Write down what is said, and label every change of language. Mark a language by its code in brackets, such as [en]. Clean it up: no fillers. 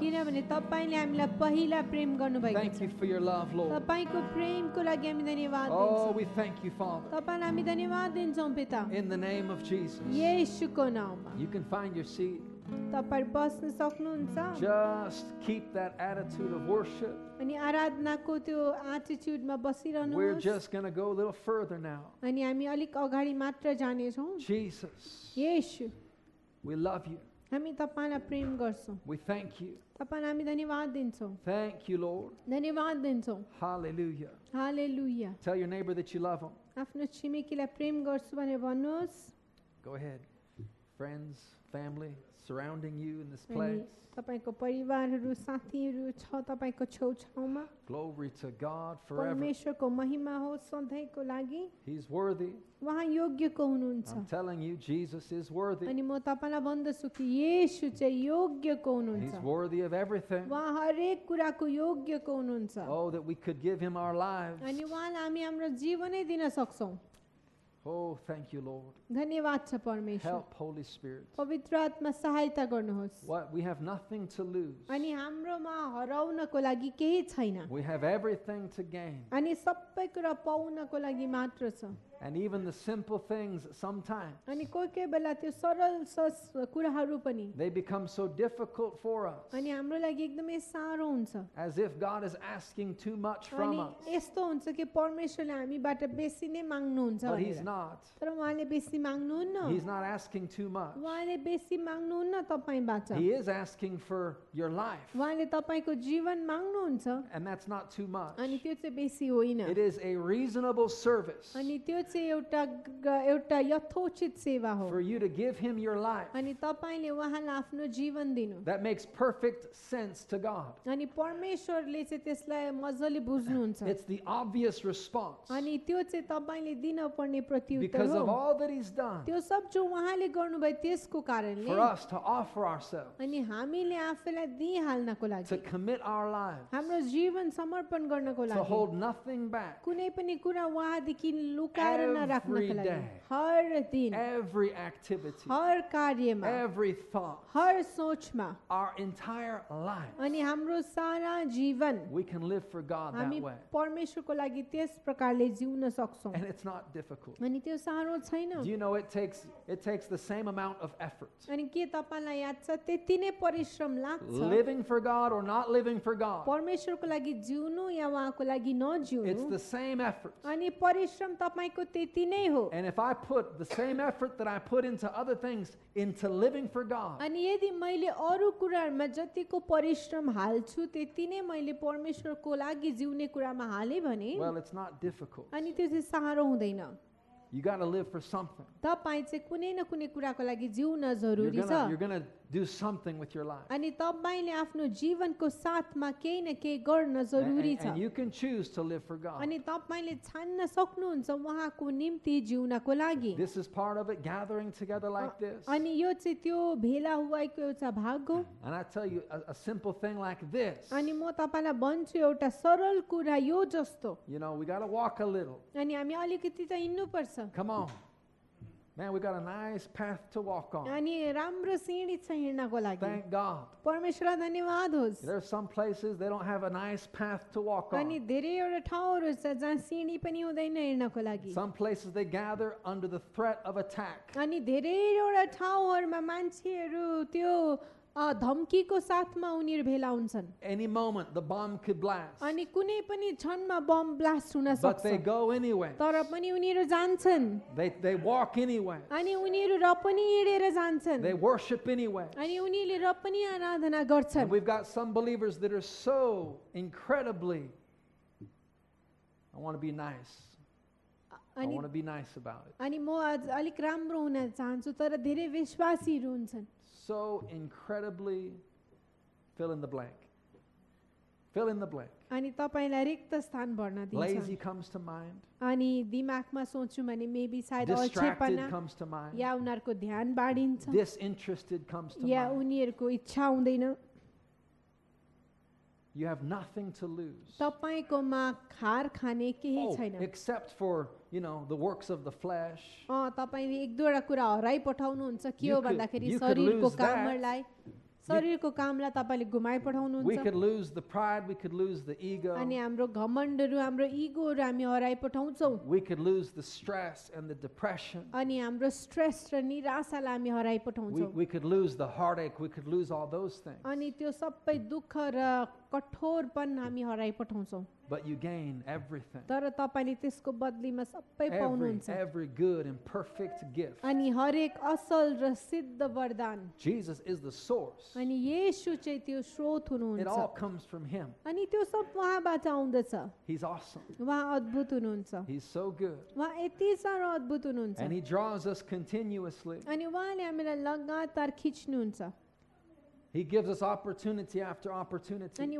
[ne] Kinabhane tapaile hamila pahila prem garnu bhayeko [en] cha. Thank you for your love, Lord. [ne] Tapaiko prem ko lagi hami dhanyawad [en] dinchhau. Oh, we thank you, Father. [ne] Tapaila hami dhanyawad dinchhau, Pita. [en] In the name of Jesus. [ne] Yeshu ko nauma. [en] You can find your seat. [ne] Tapai basna saknuhuncha. [en] Just keep that attitude of worship. [ne] अनि आराधनाको त्यो attitude-मा बसिरहनुहोस्. [en] We're just going to go a little further now. [ne] अनि हामी अलिक अगाडि मात्र जाने छौ. [en] Jesus. [ne] Yeshu. [en] We love you. [ne] हामी तपाईलाई प्रेम गर्छौ. [en] We thank you. [ne] तपाईलाई हामी धन्यवाद दिन्छौ. [en] Thank you, Lord. [ne] धन्यवाद दिन्छौ. [en] Hallelujah. Hallelujah. Tell your neighbor that you love him. [ne] आफ्नो छिमेकीलाई प्रेम गर्छु भनेर भन्नुहोस्. [en] Go ahead. Friends, family surrounding you in this place. [ne] तपाईको परिवारहरु साथीहरु छ तपाईको छेउछाउमा. [en] Glory to God forever. [ne] परमेश्वरको महिमा हो सधैंको लागि. [en] He's worthy. [ne] वहाँ योग्यको हुनुहुन्छ. [en] I'm telling you, Jesus is worthy. [ne] अनि म तपाईलाई भन्दछु कि येशू चाहिँ योग्यको हुनुहुन्छ. [en] He's worthy of everything. [ne] वहाँ हरेक कुराको योग्यको हुनुहुन्छ. [en] Oh, that we could give him our lives. [ne] अनि वहाँलाई हामी हाम्रो जीवनै दिन सक्छौं. [en] Oh, thank you, Lord. [ne] धन्यवाद छ परमेश्वर. [en] Help Holy Spirit. [ne] पवित्र आत्मा सहायता गर्नुहोस. [en] What we have nothing to lose. [ne] अनि हाम्रोमा हराउनको लागि केही छैन. [en] We have everything to gain. [ne] अनि सबै कुरा पाउनको लागि मात्र छ. [en] And even the simple things sometimes. [ne] अनि कोही कोही बेला त्यो सरल कुराहरू पनि. [en] They become so difficult for us. [ne] अनि हाम्रो लागि एकदमै साह्रो हुन्छ. [en] As if God is asking too much from us. [ne] अनि यस्तो हुन्छ कि परमेश्वरले हामीबाट बेसी नै माग्नु हुन्छ भनेर. [en] But he's not. [ne] तर उहाँले बेसी माग्नु हुन्न. [en] He's not asking too much. [ne] उहाँले बेसी माग्नु हुन्न तपाईँबाट. [en] He is asking for your life. [ne] उहाँले तपाईँको जीवन माग्नु हुन्छ. [en] And that's not too much. [ne] अनि त्यो चाहिँ बेसी होइन. [en] It is a reasonable service. [ne] अनि त्यो एउटा यथोचित सेवा हो. [en] For you to give him your life. [ne] अनि तपाईले उहाँलाई आफ्नो जीवन दिनु. [en] That makes perfect sense to God. [ne] अनि परमेश्वरले चाहिँ त्यसलाई मजाले बुझ्नुहुन्छ. [en] It's the obvious response. [ne] अनि त्यो चाहिँ तपाईले दिनुपर्ने प्रतिउत्तर हो. [en] Because of all that he's done. [ne] त्यो सब जो उहाँले गर्नुभयो त्यसको कारणले. [en] For us to offer ourselves. [ne] अनि हामीले आफूलाई दिइहाल्नको लागि. [en] To commit our lives. [ne] हाम्रो जीवन समर्पण गर्नको लागि. [en] To hold nothing back. [ne] कुनै पनि कुरा उहाँदेखि लुकाउन. [en] Every activity, [ne] har karyama, [en] every thought, [ne] har sochma, [en] our entire life, [ne] ani hamro sara jivan, [en] we can live for God that way. [ne] Parmeshwar ko lagi tes prakar le jiuna sakchau. [en] And it's not difficult. [ne] Ani tyo saharo chaina. [en] Do you know it takes the same amount of effort. [ne] Ani ke tapailai yaad cha teti nai parishram lagcha. [en] Living for God or not living for God. [ne] Parmeshwar ko lagi jiunu ya waha ko lagi najiunu. [en] It's the same effort. [ne] Ani parishram tapai [en] And if I put the same effort that I put into other things into living for God. [ne] अनि यदि मैले अरु कुरामा जतिको परिश्रम हाल्छु त्यति नै मैले परमेश्वरको लागि जिउने कुरामा हाले भने. [en] Well, it's not difficult. [ne] अनि त्यो चाहिँ साह्रो हुँदैन. [en] You got to live for something. [ne] तपाईं चाहिँ कुनै न कुनै कुराको लागि जिउन जरुरी छ. [en] You're going to do something with your life. [ne] अनि तपाईंले आफ्नो जीवनको साथमा केही न केही गर्न जरुरी छ. [en] And you can choose to live for God. [ne] अनि तपाईंले छान्न सक्नुहुन्छ वहाको निम्ति जिउनको लागि. [en] This is part of it, gathering together like this. [ne] अनि यो चाहिँ त्यो भेला हुएको एउटा भाग हो. [en] And I tell you a simple thing like this. [ne] अनि म तपाईंलाई भन्छु एउटा सरल कुरा यो जस्तो. [en] You know, we got to walk a little. [ne] अनि हामी अलिकति त हिन्नु पर्छ. [en] Come on. Man, we got a nice path to walk on. [ne] अनि राम्रो सिडी छ हिँड्नको लागि. [en] Thank God. [ne] परमेश्वरलाई धन्यवाद होस्. [en] There are some places they don't have a nice path to walk on. [ne] अनि धेरै एउटा ठाउँहरू छ जहाँ सिडी पनि हुँदैन हिँड्नको लागि. [en] Some places they gather under the threat of attack. [ne] अनि धेरै एउटा ठाउँहरूमा मान्छेहरू त्यो धम्कीको साथमा उनीहरू भेला हुन्छन्. [en] Any moment the bomb could blast. [ne] अनि कुनै पनि क्षणमा बम ब्लास्ट हुन सक्छ. [en] But they go anyway. [ne] तर पनि उनीहरू जान्छन्. [en] They walk anyway. [ne] अनि उनीहरू र पनि हिँडेर जान्छन्. [en] They worship anyway. [ne] अनि उनीहरूले र पनि आराधना गर्छन्. [en] We've got some believers that are so incredibly I want to be nice about it. [ne] अनि म अलिक राम्रो हुन चाहन्छु तर धेरै विश्वासीहरू हुन्छन्. [en] So incredibly fill in the blank. [ne] अनि तपाईलाई रिक्त स्थान भर्न दिन्छ. [en] Lazy comes to mind. [ne] अनि दिमागमा सोच्छु भने maybe सायद अल्छेपना या उनीहरूको ध्यान बाढिन्छ. [en] Disinterested comes to mind. [ne] या उनीहरूको इच्छा हुँदैन. [en] You have nothing to lose. [ne] तपाईकोमा खार खाने केही छैन. [en] Except for you know the works of the flesh. [ne] तपाईले एक दुईटा कुरा हराई पठाउनु हुन्छ के हो भन्दाखेरि शरीरको कामहरुलाई शरीरको कामलाई तपाईले गुमाई पठाउनु हुन्छ. [en] We could lose the pride, we could lose the ego. [ne] अनि हाम्रो घमण्डहरु हाम्रो इगोहरु हामी हराई पठाउँछौं. [en] We could lose the stress and the depression. [ne] अनि हाम्रो स्ट्रेस र निराशालाई हामी हराई पठाउँछौं. [en] We could lose the heartache, we could lose all those things. [ne] अनि त्यो सबै दुःख र कठोरपन हामी हराई पठाउँछौं. [en] But you gain everything. [ne] तर तपाईले त्यसको बदलीमा सबै पाउनुहुन्छ. [en] Every good and perfect gift. [ne] अनि हरेक असल र सिद्ध वरदान. [en] Jesus is the source. [ne] अनि येशु चाहिँ त्यो स्रोत हुनुहुन्छ. [en] It all comes from him. [ne] अनि त्यो सब वहाँबाट आउँदछ. [en] He's awesome. [ne] वहाँ अद्भुत हुनुहुन्छ. [en] He's so good. [ne] वहाँ यति साह्रो अद्भुत हुनुहुन्छ. [en] And he draws us continuously. [ne] अनि वहाँले हामीलाई लगातार खिच्नुहुन्छ. [en] He gives us opportunity after opportunity.